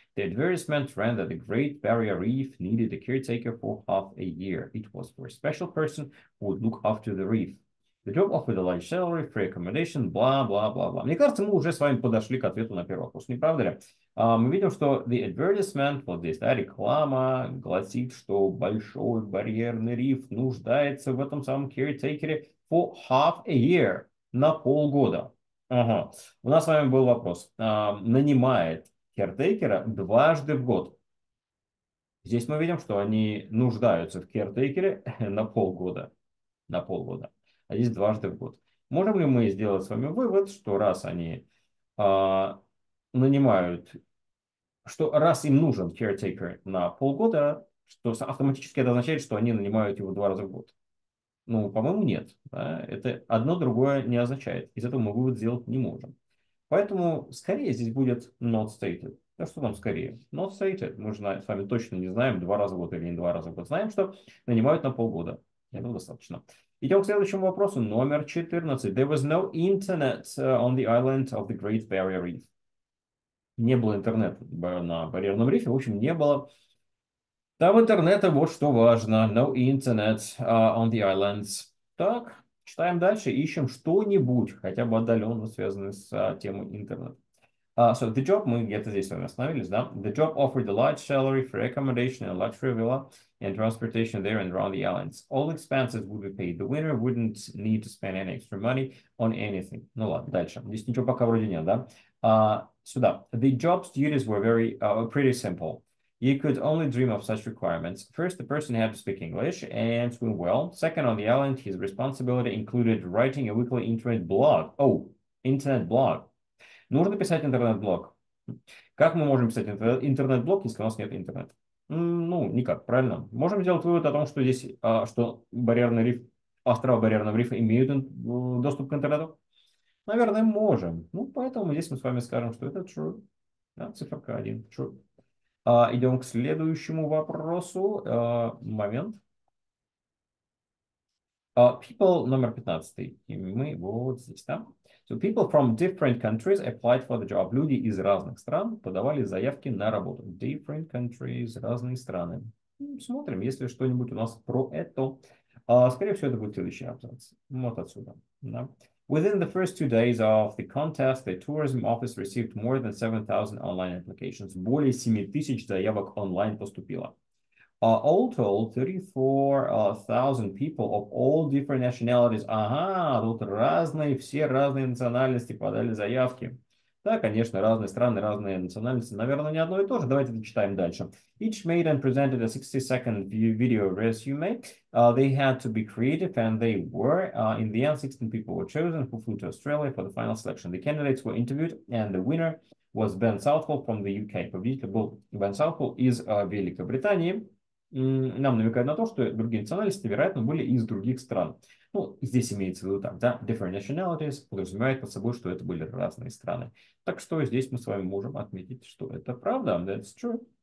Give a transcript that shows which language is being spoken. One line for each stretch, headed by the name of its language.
English: The advertisement ran that the Great Barrier Reef needed a caretaker for half a year. It was for a special person who would look after the reef. The job offered a large salary, free accommodation, бла-бла-бла-бла.
Russian: Мне кажется, мы уже с вами подошли к ответу на первый вопрос, не правда ли? Мы видим, что the advertisement, вот здесь, да, реклама, гласит, что большой барьерный риф нуждается в этом самом caretaker'е
English: for half a year,
Russian: на полгода. Ага. У нас с вами был вопрос. Нанимает caretaker'а дважды в год. Здесь мы видим, что они нуждаются в caretaker'е на полгода. На полгода. А здесь дважды в год. Можем ли мы сделать с вами вывод, что раз они нанимают, что раз им нужен caretaker на полгода, что автоматически это означает, что они нанимают его два раза в год? Ну, по-моему, нет. Да? Это одно другое не означает. Из этого мы вывод сделать не можем. Поэтому скорее здесь будет
English: not stated.
Russian: Да что там скорее?
English: Not stated.
Russian: Мы же с вами точно не знаем, два раза в год или не два раза в год. Знаем, что нанимают на полгода. Этого достаточно. Идем к следующему вопросу. Номер 14.
English: There was no internet on the island of the Great Barrier Reef.
Russian: Не было интернета на барьерном рифе. В общем, не было там интернета. Вот что важно.
English: No internet on the islands.
Russian: Так, читаем дальше. Ищем что-нибудь, хотя бы отдаленно связанное с темой интернета.
English: So the job,
Russian: мы где-то здесь с вами остановились, да?
English: The job offered a large salary for accommodation and a luxury villa and transportation there and around the islands. All expenses would be paid. The winner wouldn't need to spend any extra money on anything.
Russian: Ну ладно, дальше. Здесь ничего пока вроде нет, да? Сюда.
English: The job's duties were very, pretty simple. You could only dream of such requirements. First, the person had to speak English and swim well. Second, on the island, his responsibility included writing a weekly internet blog. Oh, internet blog.
Russian: Нужно писать интернет-блог. Как мы можем писать интернет-блог, если у нас нет интернета? Ну, никак, правильно. Можем сделать вывод о том, что здесь, что барьерный риф, острова барьерного рифа имеют доступ к интернету? Наверное, можем. Ну, поэтому здесь мы с вами скажем, что это true. Да, циферка 1, true. Идем к следующему вопросу. Момент. People номер 15. И мы вот здесь, да?
English: So people from different countries applied for the job.
Russian: Люди из разных стран подавали заявки на работу. Different countries, разные страны. Смотрим, есть ли что-нибудь у нас про это. Скорее всего, это будет следующий абзац. Вот отсюда. Да.
English: Within the first 2 days of the contest, the tourism office received more than 7,000 online applications.
Russian: Более 7,000 заявок онлайн поступило.
English: All told, 34,000 people of all different nationalities.
Russian: Ага, тут разные, все разные национальности подали заявки. Да, конечно, разные страны, разные национальности, наверное, не одно и то же. Давайте дочитаем дальше.
English: Each maiden presented a 60-second video resume. They had to be creative, and they were. In the end, 16 people were chosen who flew to Australia for the final selection. The candidates were interviewed, and the winner was Ben Southall from the UK.
Russian: Победитель был Бен Саутхолл из Великобритании. Нам намекают на то, что другие национальности, вероятно, были из других стран. Ну, здесь имеется в виду так, да?
English: Different nationalities
Russian: подразумевает под собой, что это были разные страны. Так что здесь мы с вами можем отметить, что это правда.
English: That's true.